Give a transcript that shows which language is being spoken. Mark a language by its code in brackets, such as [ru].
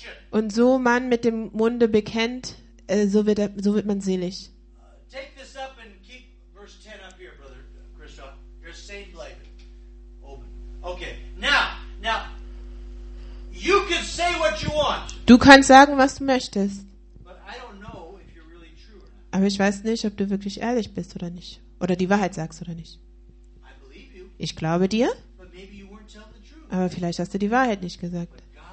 [de] Und so man mit dem Munde bekennt, so wird man selig. [en] Take this up and keep verse 10 up here, Brother Christoph. You're Saint Blaven. Okay. Now, you can say what you want. [de] Du kannst sagen, was du möchtest. [en] But I don't know if you're really true or not. [de] Aber ich weiß nicht, ob du wirklich ehrlich bist oder nicht. Oder die Wahrheit sagst oder nicht. [en] I believe you. [de] Ich glaube dir. [en] But maybe you weren't telling the truth. [de] Aber vielleicht hast du die Wahrheit nicht gesagt.